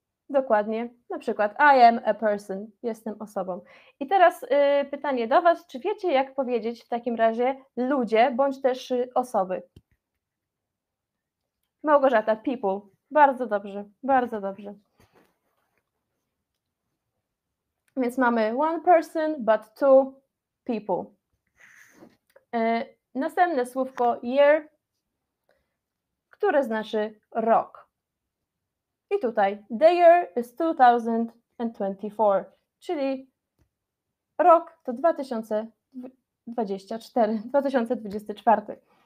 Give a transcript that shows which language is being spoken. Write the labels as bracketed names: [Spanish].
[Polish] Dokładnie, na przykład [English] I am a person, [Polish] jestem osobą. I teraz pytanie do was, czy wiecie, jak powiedzieć w takim razie ludzie bądź też osoby? Małgorzata, people. Bardzo dobrze, bardzo dobrze. Więc mamy [English] one person, but two people. [Polish] Następne słówko year, które znaczy rok. I tutaj [English] the year is 2024, [Polish] czyli rok to 2024.